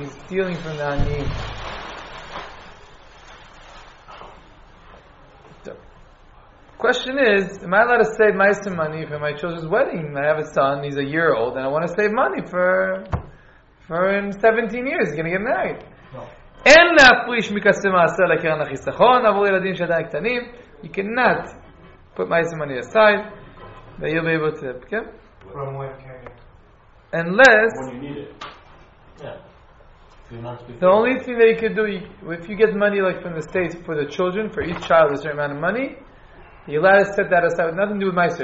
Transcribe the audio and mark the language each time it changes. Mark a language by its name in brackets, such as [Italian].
[English] He's stealing from the Anim. Question is, am I allowed to save Meister money for my children's wedding? I have a son, he's a year old, and I want to save money for him 17 years, he's going to get married. [Hebrew] אין להפריש מכספי מעשר לקרן החיסכון עבור ילדים שעדיין קטנים. [English] You cannot put Meister money aside, that you'll be able to, okay? From when? Unless... When you need it. Yeah. The only thing that you could do, if you get money like from the States for the children, for each child, a certain amount of money, you'll have to set that aside with nothing to do with Meister.